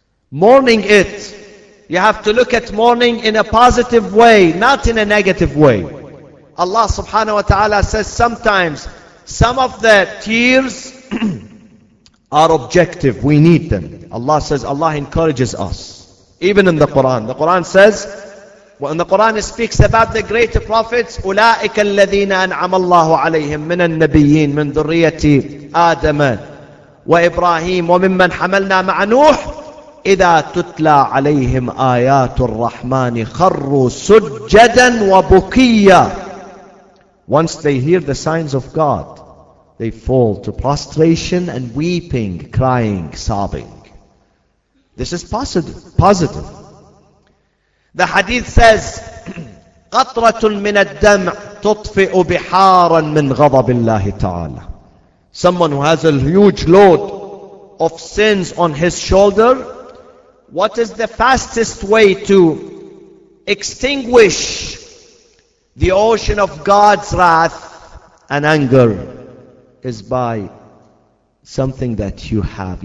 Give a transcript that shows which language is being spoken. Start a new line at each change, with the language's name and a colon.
English: Mourning it, you have to look at mourning in a positive way, not in a negative way. Allah subhanahu wa ta'ala says sometimes some of the tears are objective. We need them. Allah says, Allah encourages us. Even in the Quran. The Quran says, when the Quran speaks about the great prophets,
Arabic: أُولَٰئِكَ الَّذِينَ أَنْعَمَ اللَّهُ عَلَيْهِمْ مِنَ النَّبِيِّينَ مِنْ ذُرِّيَّةِ آدَمَ وَإِبْرَاهِيمَ وَمِمَّنْ حَمَلْنَا مَعَ نُوحٍ إذا تتلى عليهم آيات الرحمن خروا سجدا وبكيا.
English: Once they hear the signs of God, they fall to prostration and weeping, crying, sobbing. This is positive. The hadith says,
Arabic: قطرة من الدمع تطفئ بحارا من غضب الله تعالى.
English: Someone who has a huge load of sins on his shoulder, what is the fastest way to extinguish the ocean of God's wrath and anger is by something that you have.